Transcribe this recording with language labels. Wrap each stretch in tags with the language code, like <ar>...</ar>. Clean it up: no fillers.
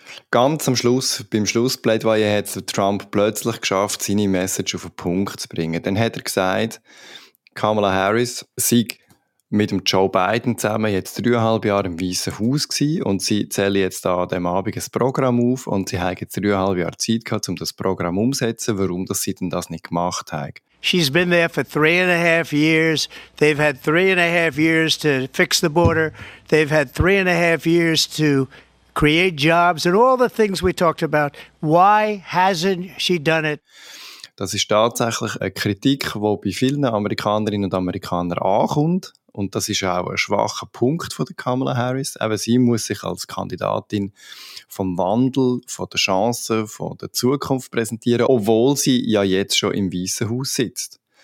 <de>Ganz am Schluss, beim Schlussplädoyer, hat es Trump plötzlich geschafft, seine Message auf den Punkt zu bringen. Dann hat er gesagt, Kamala Harris sei mit dem Joe Biden zusammen jetzt 3,5 Jahre im Weißen Haus gewesen und sie zählen jetzt da an diesem Abend ein Programm auf und sie haben jetzt 3,5 Jahre Zeit gehabt, um das Programm umzusetzen, warum dass sie denn das nicht gemacht haben.</de> <en>She's been there for 3.5 years. They've had 3.5 years to fix the border. They've had 3.5 years to create jobs and all the things we talked about. Why hasn't she done it?</en> <de>Das ist tatsächlich eine Kritik, die bei vielen Amerikanerinnen und Amerikanern ankommt. Und das ist auch ein schwacher Punkt von Kamala Harris. Eben, sie muss sich als Kandidatin vom Wandel, von den Chancen, von der Zukunft präsentieren, obwohl sie ja jetzt schon im Weißen Haus sitzt.</de>